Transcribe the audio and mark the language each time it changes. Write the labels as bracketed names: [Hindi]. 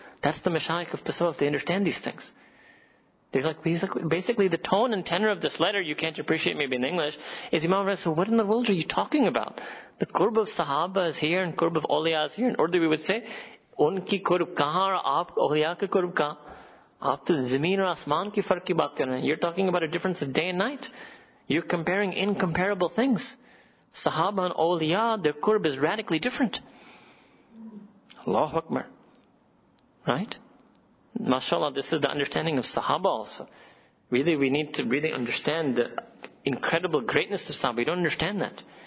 [English] That's the mashayikh of tasawwuf, they understand these things. They're like, basically the tone and tenor of this letter, you can't appreciate maybe in English, is Imam Raza, so what in the world are you talking about? The qurb of Sahaba is here and qurb of awliya is here. In Urdu we would say, [Urdu] ان کی قرب کہاں اور آپ اولیا کے قرب کا؟ آپ تو زمین اور آسمان کی فرق کی بات کر رہے ہیں. [English] You're talking about a difference of day and night. You're comparing incomparable things. Sahaba and awliya, their qurb is radically different. Allahu Akbar. Right? MashaAllah, this is the understanding of Sahaba also. Really, we need to really understand the incredible greatness of Sahaba. We don't understand that.